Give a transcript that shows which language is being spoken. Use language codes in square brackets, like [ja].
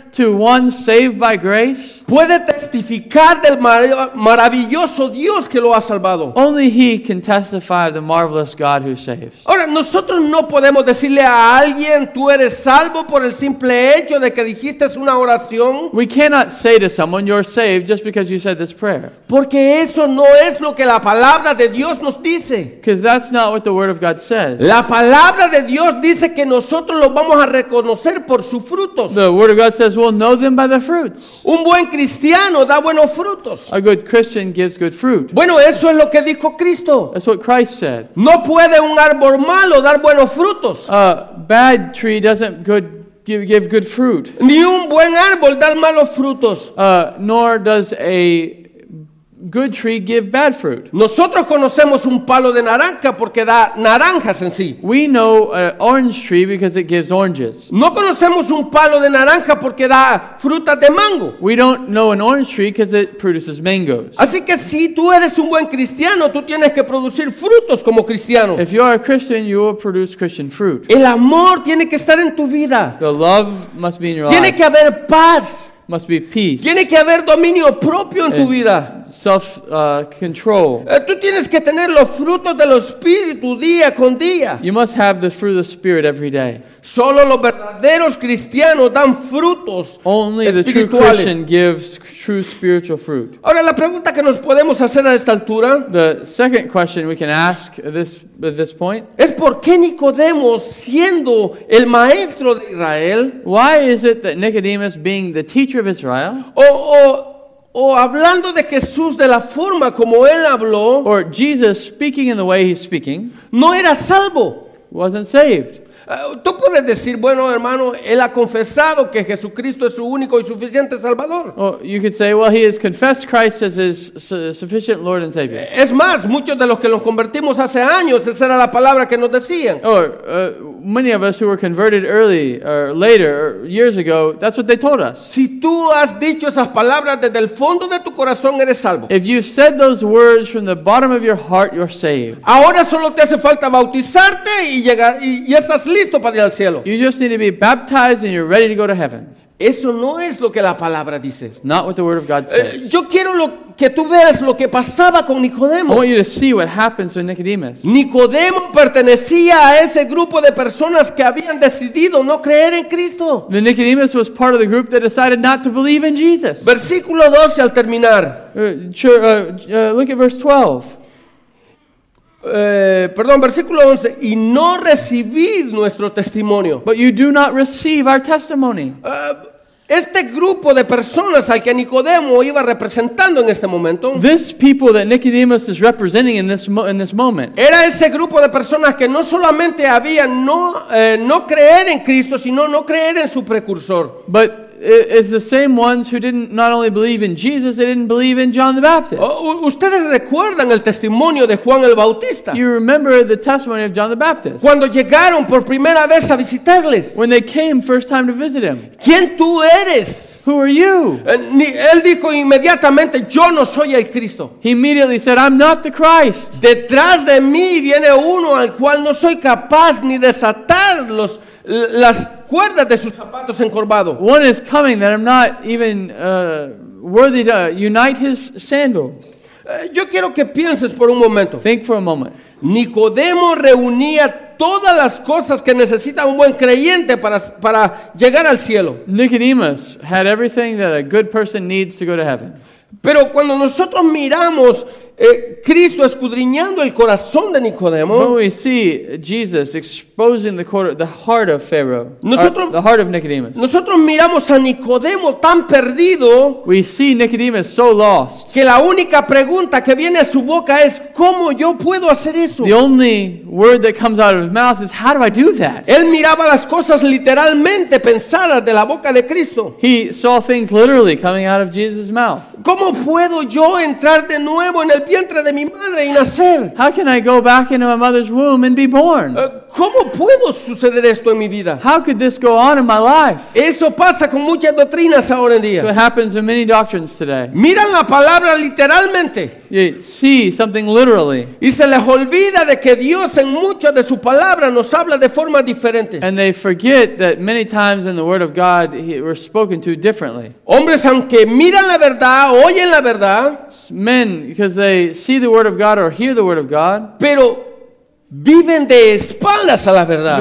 [en] to one saved by grace? [es] ¿Puede testificar del maravilloso Dios que lo ha salvado? [en] Only he can testify of the marvelous God who saves. [es] Ahora, nosotros no podemos decirle a alguien, tú eres salvo por el simple hecho de que dijiste una oración. [en] We cannot say to someone, you're saved just because you said this prayer. [es] Porque eso no es lo que la palabra de Dios nos dice. [en] Because that's not what the word of God says. [es] La palabra de Dios dice que nosotros lo vamos a reconocer por sus frutos. [en] The word of God says we'll know them by the fruits. [es] Un buen cristiano da buenos frutos. [en] A good Christian gives good fruit. [es] Bueno, eso es lo que dijo Cristo. [en] That's what Christ said. [es] No puede un árbol malo dar buenos frutos. [en] A bad tree doesn't give good fruit. [es] Ni un buen árbol da malos frutos. [en] Nor does a good tree give bad fruit. [es] Nosotros conocemos un palo de naranja porque da naranjas en sí. [en] We know an orange tree because it gives oranges. [es] No conocemos un palo de naranja porque da frutas de mango. [en] We don't know an orange tree because it produces mangoes. [es] Así que si tú eres un buen cristiano, tú tienes que producir frutos como cristiano. [en] If you are a Christian, you will produce Christian fruit. [es] El amor tiene que estar en tu vida. [en] The love must be in your [es] tiene [en] life. [es] Tiene que haber paz. [en] Must be peace. [es] Tiene que haber dominio propio en tu vida. [en] Self-control. [es] Tú tienes que tener los frutos del Espíritu día con día. [en] You must have the fruit of the Spirit every day. [es] Solo los verdaderos cristianos dan frutos [en] Only [es] espirituales. [en] The true Christian gives true spiritual fruit. [es] Ahora la pregunta que nos podemos hacer a esta altura. [en] The second question we can ask at this point. [es] Es por qué Nicodemo siendo el maestro de Israel. [en] Why is it that Nicodemus being the teacher of Israel. [es] O hablando de Jesús de la forma como él habló. [en] Or Jesus speaking in the way he's speaking. [es] No era salvo. [en] Wasn't saved. [es] Tú puedes decir, bueno, hermano, él ha confesado que Jesucristo es su único y suficiente Salvador. [en] Oh, you could say, well, he has confessed Christ as his sufficient Lord and Savior. [es] Es más, muchos de los que nos convertimos hace años, esa era la palabra que nos decían. [en] Or many of us who were converted early or later or years ago, that's what they told us. [es] Si tú has dicho esas palabras desde el fondo de tu corazón, eres salvo. [en] If you said those words from the bottom of your heart, you're saved. [es] Ahora solo te hace falta bautizarte y llegar y estás listo para ir al cielo. [en] You just need to be baptized and you're ready to go to heaven. [es] Eso no es lo que la palabra dice. [en] It's not what the word of God says. [es] Yo quiero que tú veas lo que pasaba con Nicodemo. [en] I want you to see what happens with Nicodemus. [es] Nicodemo pertenecía a ese grupo de personas que habían decidido no creer en Cristo. [en] The Nicodemus was part of the group that decided not to believe in Jesus. [es] Versículo 12 al terminar. [en] Look at verse 12. [es] Versículo 11, y no recibid nuestro testimonio. [en] But you do not receive our testimony. [es] Este grupo de personas al que Nicodemo iba representando en este momento. [en] This people that Nicodemus is representing in this moment. [es] Era ese grupo de personas que no solamente había no creer en Cristo, sino no creer en su precursor. [en] But it's the same ones who didn't not only believe in Jesus, they didn't believe in John the Baptist. [es] ¿Ustedes recuerdan el testimonio de Juan el Bautista? [en] You remember the testimony of John the Baptist. [es] Cuando llegaron por primera vez a visitarles. [en] When they came first time to visit him. [es] ¿Quién tú eres? [en] Who are you? [es] Él dijo inmediatamente, yo no soy el Cristo. [en] He immediately said, I'm not the Christ. [es] Detrás de mí viene uno al cual no soy capaz ni desatar las cuerdas de sus zapatos encorvado. [en] One is coming that I'm not even worthy to unite his sandal. [es] Yo quiero que pienses por un momento. [en] Think for a moment. [es] Nicodemo reunía todas las cosas que necesita un buen creyente para llegar al cielo. [en] Nicodemus had everything that a good person needs to go to heaven. [es] Pero cuando nosotros miramos Cristo escudriñando el corazón de Nicodemo. [en] When we see Jesus exposing the heart of Pharaoh, the heart of Nicodemus. [es] Nosotros miramos a Nicodemo tan perdido. [en] We see Nicodemus so lost. [es] Que la única pregunta que viene a su boca es cómo yo puedo hacer eso. [en] The only word that comes out of his mouth is how do I do that? [es] Él miraba las cosas literalmente pensadas de la boca de Cristo. [en] He saw things literally coming out of Jesus' mouth. [es] ¿Cómo puedo yo entrar de nuevo en el vientre de mi madre y nacer? [en] How can I go back into my mother's womb and be born? [es] ¿Cómo puedo suceder esto en mi vida? [en] How could this go on in my life? [es] Eso pasa con muchas doctrinas ahora en día. [en] So it happens in many doctrines today. [es] Miran la palabra literalmente. [en] You see something literally. [es] Y se les olvida de que Dios en muchas de su palabra nos habla de forma diferente. [en] And they forget that many times in the Word of God we're spoken to differently. [es] Hombres, aunque miran la verdad, oyen la verdad. [en] Men, because they see the Word of God or hear the Word of God. [es] Pero viven de espaldas a la verdad.